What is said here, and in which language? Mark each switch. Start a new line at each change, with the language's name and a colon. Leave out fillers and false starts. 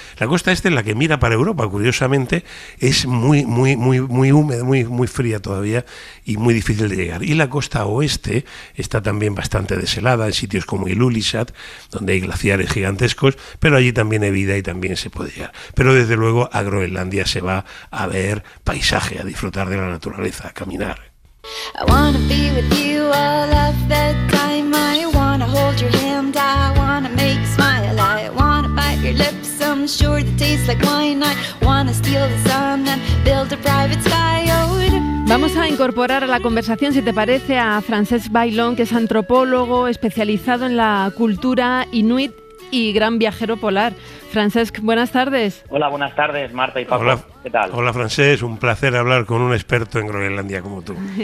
Spanish: La costa este es la que mira para Europa, curiosamente, es muy, muy, muy, muy húmeda, muy, muy fría todavía, y muy difícil de llegar. Y la costa oeste está también bastante deshelada, en sitios como Ilulissat, donde hay glaciares gigantescos, pero allí también hay vida y también se puede llegar. Pero desde luego a Groenlandia se va a ver paisaje, a disfrutar de la naturaleza, a caminar.
English: I wanna be with you all of the time. I wanna hold your hand, I wanna make you smile. I wanna bite your lips, I'm sure they taste like wine. I wanna steal the sun and build a private sky. Oh,
Spanish: vamos a incorporar a la conversación, si te parece, a Francesc Bailón, que es antropólogo especializado en la cultura inuit y gran viajero polar. Francesc, buenas tardes. Hola, buenas tardes, Marta y Paco. Hola. ¿Qué tal? Hola, Francesc, un placer hablar con un experto en Groenlandia como tú.